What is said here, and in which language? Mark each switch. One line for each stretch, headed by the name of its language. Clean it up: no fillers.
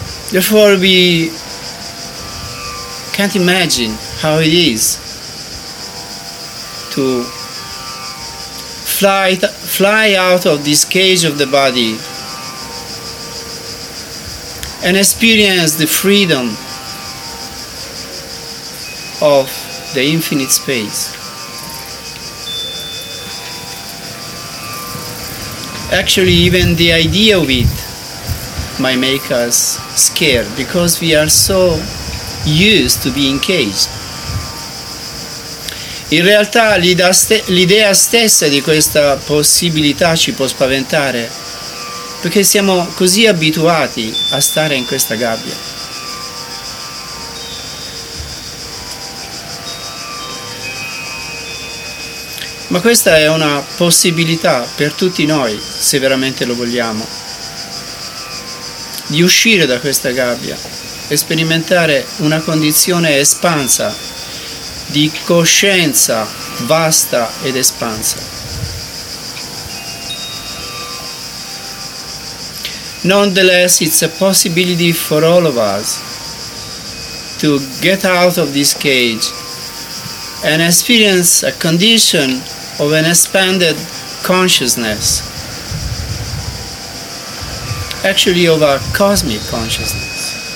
English: Therefore we can't imagine how it is to fly out of this cage of the body and experience the freedom of the infinite space. Actually, even the idea of it might make us scared because we are so used to being caged.
Italian: In realtà l'idea stessa di questa possibilità ci può spaventare perché siamo così abituati a stare in questa gabbia. Ma questa è una possibilità per tutti noi, se veramente lo vogliamo, di uscire da questa gabbia e sperimentare una condizione espansa, di coscienza vasta ed espansa.
English: Nonetheless, it's a possibility for all of us to get out of this cage and experience a condition of an expanded consciousness, actually of a cosmic consciousness.